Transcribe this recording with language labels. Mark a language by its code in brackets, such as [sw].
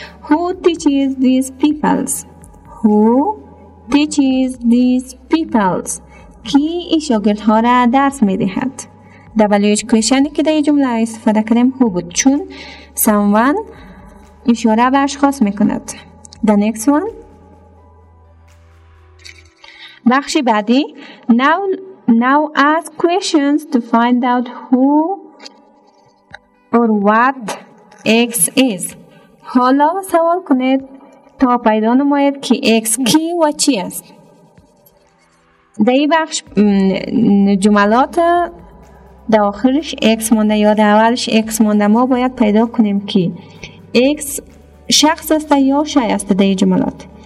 [en] Who teaches these people? [fa] کی شاگرد ها را درس میدهد؟ WH question که در جمله استفاده کردیم هو بود, چون سموان اشاره به اشخاص میکند. [en] The next one, [fa] بخش بعدی [en] now ask questions to find out who or what X is. [fa] حالا سوال کنید تا پیدا نماید که X کی و چی است. در این بخش جملات داخلش x مونده یا در اولش x مونده، ما باید پیدا کنیم که x شخص است یا شی است در این جملات.